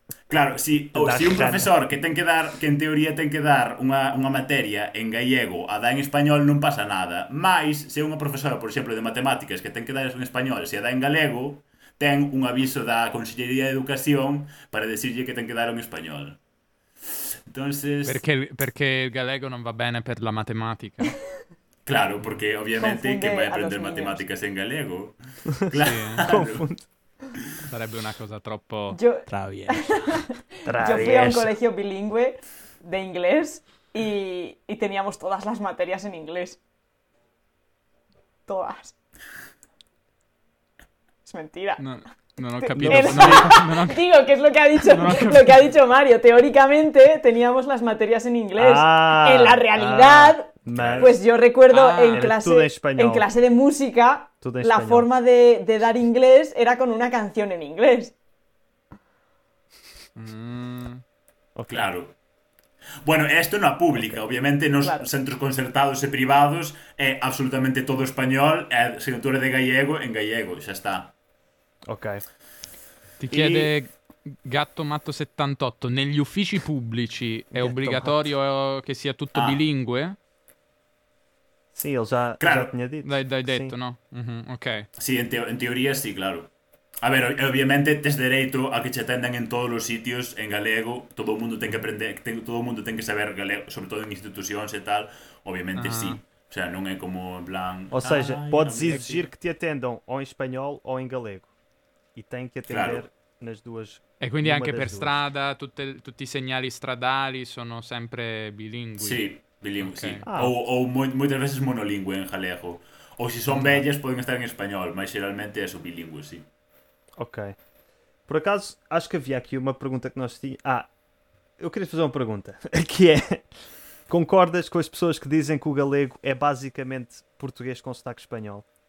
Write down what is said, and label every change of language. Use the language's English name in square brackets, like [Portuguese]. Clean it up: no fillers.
[Galician] Claro, si un profesor que ten que dar, que en teoría ten que dar unha materia en gallego a dar en español, non pasa nada. Mas, se unha profesora, por exemplo, de matemáticas que ten que dar en español, se a dá en galego, ten un aviso da Consellería de Educación para decirlle que ten que dar en español. Entonces... [Italian] Perché il galego non va bene per la matematica? Claro, perché ovviamente che vai a prendere matematica se in galego? Claro. Sì, sarebbe una cosa troppo [Spanish] traviesa. Io fui a un colegio bilingue de inglés y teníamos todas las materias en inglés. Todas. Es mentira. [Italian] No, No ho capito. [Spanish] Digo, que es lo que ha dicho Mario. Teóricamente teníamos las materias en inglés. Ah, en la realidad, pues yo recuerdo en clase de música, la forma de dar inglés era con una canción en inglés. Okay. Claro. Bueno, esto no es pública, obviamente, nos claro. Centros concertados y privados, absolutamente todo español, asignatura de gallego en gallego, ya está. Ok. [Italian] Ti chiede Gatto Matto 78, negli uffici pubblici è Gatto obbligatorio Matto. Che sia tutto bilingue? Sì, lo sa, [Spanish] claro. [Italian] L'hai detto, sì. No? Mm-hmm. Ok. Sì, in teoria sì, claro. [Galician] A ver, obviamente tens dereito a que che atendan en todos os sitios en galego, todo o mundo ten que aprender, todo o mundo ten que saber galego, sobre todo en institucións e tal, obviamente sí. O sea, non é como en plan... [Portuguese] Ou seja, podes exigir que te atendam ou em espanhol ou em galego. E tem que atender claro. Nas duas... [Italian] E quindi anche per strada, tutti i segnali stradali sono sempre bilingui. Sì, bilingui, okay. Sì. Ah. [Portuguese] Ou muitas vezes monolingue en galego. Ou se son bellas, poden estar en espanhol, mas geralmente é só bilingue, sim. Ok. Por acaso, acho que havia aqui uma pergunta que nós tínhamos... Ah, eu queria fazer uma pergunta, que é... Concordas com as pessoas que dizem que o galego é basicamente português com sotaque espanhol?